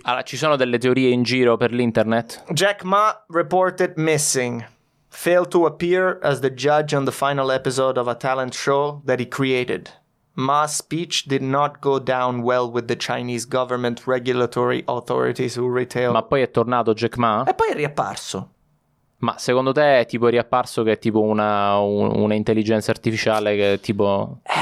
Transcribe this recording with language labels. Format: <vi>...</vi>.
<it>Allora, ci sono delle teorie in giro per l'internet?</it> <en>Jack Ma reported missing. Failed to appear as the judge on the final episode of a talent show that he created. Ma's speech did not go down well with the Chinese government regulatory authorities who retail...</en> <it>Ma poi è tornato Jack Ma? E poi è riapparso. Ma secondo te è tipo riapparso che è tipo una intelligenza artificiale che è tipo...</it>